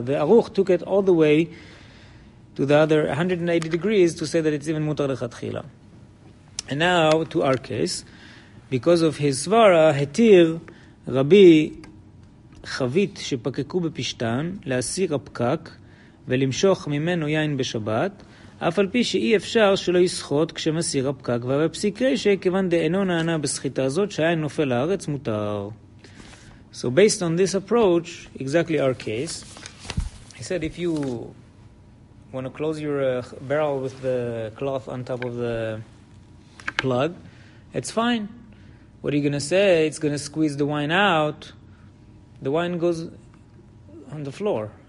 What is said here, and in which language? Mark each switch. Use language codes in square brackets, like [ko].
[en] The Aruch took it all the way to the other 180 degrees to say that it's even מותר לכתחילה. And now, to our case, because of his svara, [he] התיר רבי, חבית שפקקו בפשטן להסיר הפקק ולמשוך ממנו יין בשבת אף על פי שאי אפשר שלא ישחות כשמסיר הפקק והפסיק רשא כיוון דאינו נענה בשחיתה הזאת שהיין נופל לארץ מותר. [en] So based on this approach, exactly our case, he said if you want to close your barrel with the cloth on top of the plug, it's fine. What are you going to say? It's going to squeeze the wine out. The wine goes on the floor.